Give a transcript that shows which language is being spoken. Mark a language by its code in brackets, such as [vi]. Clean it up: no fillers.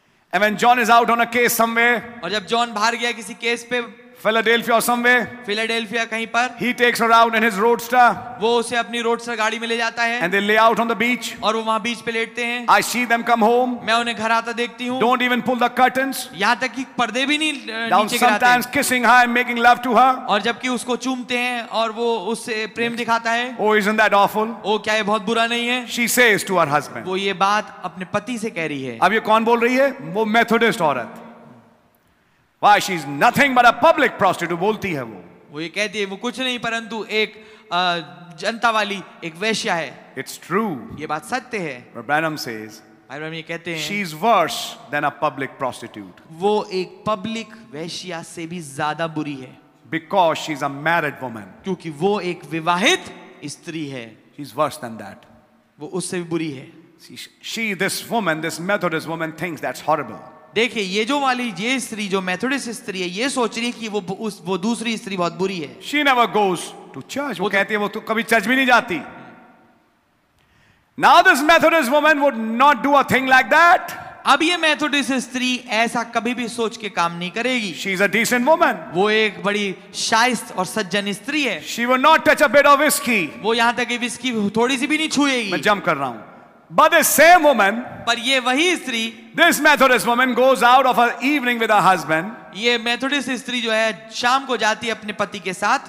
[en] And when John is out on a case somewhere, [hi] और जब John बाहर गया किसी केस पे, [en] Philadelphia somewhere, [hi] फिलाडेल्फिया कहीं पर, [en] he takes her out in his roadster, [hi] वो उसे अपनी roadster गाड़ी में ले जाता है. [en] And they lay out on the beach, [hi] और वो वहाँ बीच पे लेटते हैं. [en] I see them come home, [hi] मैं उन्हें घर आता देखती हूँ. [en] Don't even pull the curtains, [hi] यहाँ तक कि पर्दे भी नहीं नीचे गिराते. [en] Sometimes kissing her and making love to her, [hi] और जबकि उसको चूमते हैं और वो उससे प्रेम दिखाता है. [en] Oh, isn't that awful? [hi] ओ क्या ये बहुत बुरा नहीं है? [en] She says to her husband, [hi] वो ये बात अपने पति से कह रही है. अब ये कौन बोल रही है? वो मेथोडिस्ट औरत. [en] Why, she's nothing but a public prostitute, [hi] बोलती है वो. वो ये कहती है, वो कुछ नहीं परंतु एक जनता वाली एक वेश्या है. [en] It's true. [hi] ये बात सत्य है. [en] Branham says, [hi] Branham ये कहते हैं, [en] she's worse than a public prostitute. [hi] वो एक पब्लिक वेश्या से भी ज्यादा बुरी है. [en] Because she's a married woman. [hi] क्योंकि वो एक विवाहित स्त्री है. [en] She's worse than that. [hi] वो उससे भी बुरी है. [en] She, this woman, this Methodist woman, thinks that's horrible. [hi] देखिए ये जो वाली ये स्त्री जो मेथोडिस्ट स्त्री है ये सोच रही है कि वो दूसरी स्त्री बहुत बुरी है. [en] She never goes to church. [hi] वो कहती है वो तो कभी चर्च भी नहीं जाती. [en] Now this Methodist woman would not do a thing like that. [hi] अब ये मेथोडिस्ट स्त्री ऐसा कभी भी सोच के काम नहीं करेगी. [en] She is a decent woman. [hi] वो एक बड़ी शाइस्त और सज्जन स्त्री है. [en] She will not touch a bit of whiskey. [hi] वो यहां तक विस्की थोड़ी सी भी नहीं छुएगी. मैं जंप कर रहा हूं. [en] But the same woman, [hi] पर ये वही स्त्री, [en] this Methodist woman goes out of her evening with her husband, [hi] ये मेथोडिस्ट स्त्री जो है शाम को जाती है अपने पति के साथ,